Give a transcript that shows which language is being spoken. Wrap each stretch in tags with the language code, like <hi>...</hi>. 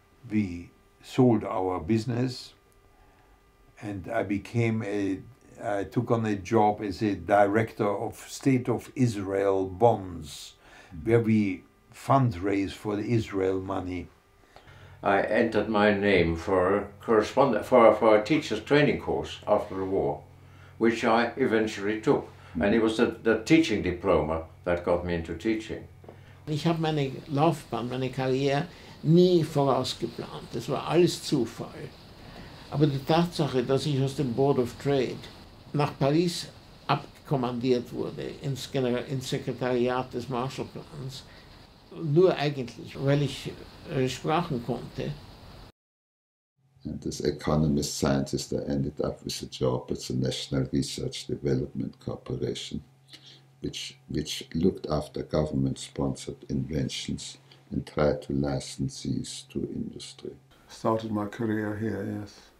<en>We sold our business and I took on a job as a director of State of Israel bonds, where we fundraise for the Israel money. I entered my name for a for a teacher's training course after the war, which I eventually took. Mm-hmm. And it was the teaching diploma that got me into teaching.</en> <de>Ich habe meine Laufbahn, meine Karriere nie vorausgeplant. Das war alles Zufall. Aber die Tatsache, dass ich aus dem Board of Trade nach Paris abkommandiert wurde, ins Sekretariat des Marshallplans, nur eigentlich, weil ich Sprachen konnte.</de> <en>And as economist scientist, I ended up with a job at the National Research Development Corporation, which looked after government-sponsored inventions and tried to license these to industry. Started my career here, yes.</en>